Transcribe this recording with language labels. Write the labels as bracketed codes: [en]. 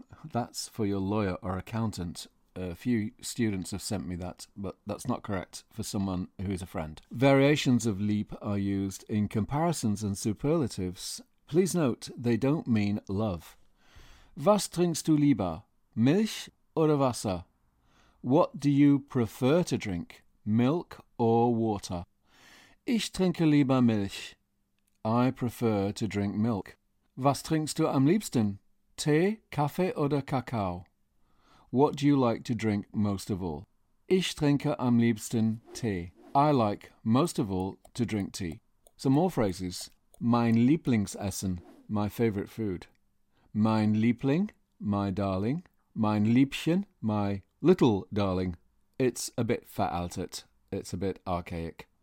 [en] That's for your lawyer or accountant. A few students have sent me that, but that's not correct for someone who is a friend. Variations of lieb are used in comparisons and superlatives. Please note, they don't mean love. [de] Was trinkst du lieber? Milch oder Wasser? [en] What do you prefer to drink? Milk or water? [de] Ich trinke lieber Milch. [en] I prefer to drink milk. [de] Was trinkst du am liebsten? Tee, Kaffee oder Kakao? [en] What do you like to drink most of all? [de] Ich trinke am liebsten Tee. [en] I like most of all to drink tea. Some more phrases. [de] Mein Lieblingsessen, [en] my favorite food. [de] Mein Liebling, [en] my darling. [de] Mein Liebchen, [en] my little darling. It's a bit veraltet. It's a bit archaic.